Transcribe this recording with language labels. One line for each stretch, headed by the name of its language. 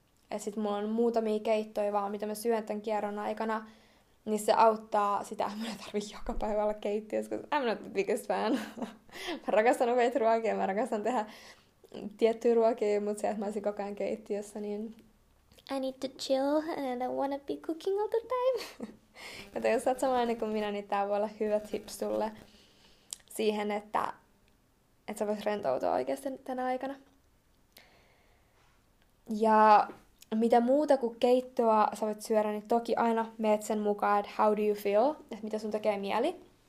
Finnish: Ja sit mulla on muutamia keittoja vaan, mitä mä syön tämän kierron aikana, niin se auttaa sitä, että mun ei tarvi joka päivä olla keittiössä, koska
English: I'm not the biggest fan.
Finnish: Mä rakastan upeita ruokia, mä rakastan tehdä tiettyjä ruokia, mutta se, että mä olisin koko ajan keittiössä, niin
English: I need to chill and I don't wanna be cooking all the time.
Finnish: Joten jos sä oot samanlainen kuin minä, niin tää voi olla hyvä tips sulle siihen, että sä vois rentoutua oikeasti tänä aikana. Ja mitä muuta kuin keittoa sä voit syödä, niin toki aina meet sen mukaan, että
English: how do you feel,
Finnish: että mitä sun tekee mieli.